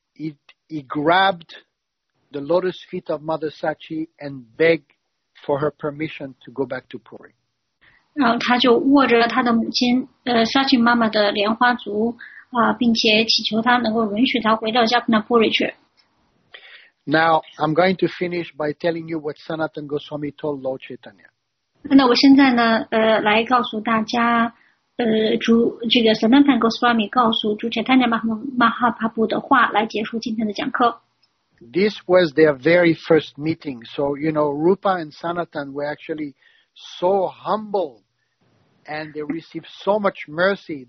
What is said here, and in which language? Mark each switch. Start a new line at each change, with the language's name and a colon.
English: he grabbed the lotus feet of Mother Sachi and begged for her permission to go back to Puri.
Chinese: 然后他就握着他的母亲Sachi妈妈的莲花足，并且祈求他能够允许他回到Jagannath Puri去。
English: Now, I'm going to finish by telling you what Sanatana Goswami told Lord Chaitanya.
Chinese: 那我现在呢，来告诉大家，这个Sanatana Goswami 告诉主Chaitanya Mahaprabhu的话 来结束今天的讲课。
English: This was their very first meeting. So, you know, Rupa and Sanatan were actually so humble and they received so much mercy.